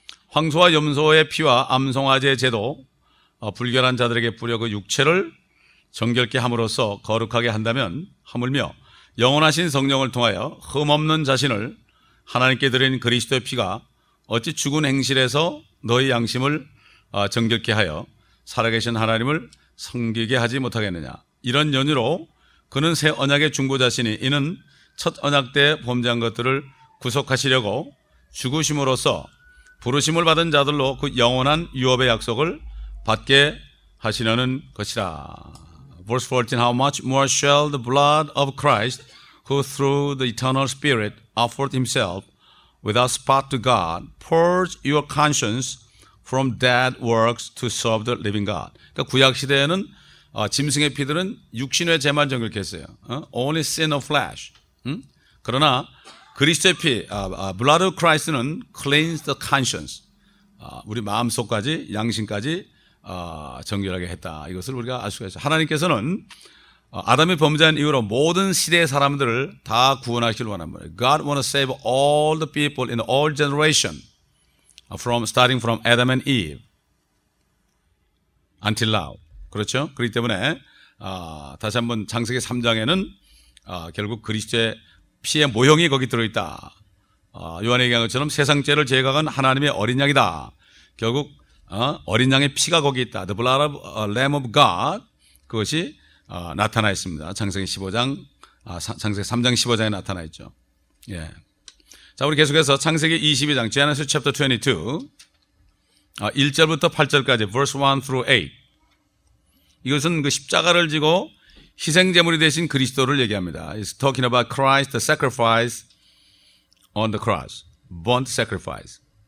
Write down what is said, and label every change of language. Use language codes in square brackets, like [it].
[ko] 황소와 염소의 피와 암송아지의 재도 불결한 자들에게 뿌려 그 육체를 정결케 함으로써 거룩하게 한다면 하물며 영원하신 성령을 통하여 흠 없는 자신을 하나님께 드린 그리스도의 피가 어찌 죽은 행실에서 너희 양심을 정결케 하여 살아계신 하나님을 섬기게 하지 못하겠느냐. 이런 연유로 그는 새 언약의 중보자시니 이는 첫 언약 때 범죄한 것들을 구속하시려고 죽으심으로써 부르심을 받은 자들로 그 영원한 유업의 약속을 받게 하시려는 것이라. [en] Verse 14. How much more shall the blood of Christ, who through the eternal Spirit offered himself without spot to God, purge your conscience from dead works to serve the living God. [ko] 그러니까 구약 시대에는 짐승의 피들은 육신의 죄만 정결케 했어요. [en] Only sin of flesh. [ko] 그러나 그리스도의 피, [en] blood of Christ는 cleanse the conscience. [ko] 우리 마음속까지, 양심까지 정결하게 했다. 이것을 우리가 알 수가 있어요. 하나님께서는 아담이 범죄한 이후로 모든 시대의 사람들을 다 구원하시길 원합니다. [en] God wants to save all the people in all generations. Starting from Adam and Eve until now. [ko] 그렇죠? 그렇기 때문에 다시 한번 창세기 3장에는 결국 그리스도의 피의 모형이 거기 들어있다. 요한이 얘기한 것처럼 세상 죄를 제거한 하나님의 어린 양이다. 결국 어린 양의 피가 거기 있다. [en] The blood of Lamb of God. [ko] 그것이 나타나 있습니다. 창세기 15장, 창세기 3장 15장에 나타나 있죠. 예. 자, 우리 계속해서 창세기 22장, [en] Genesis chapter 22, [ko] 1절부터 8절까지, [en] verse 1 through 8. [ko] 이것은 그 십자가를 지고 희생제물이 되신 그리스도를 얘기합니다. [en] It's talking about Christ, the sacrifice on the cross, burnt sacrifice.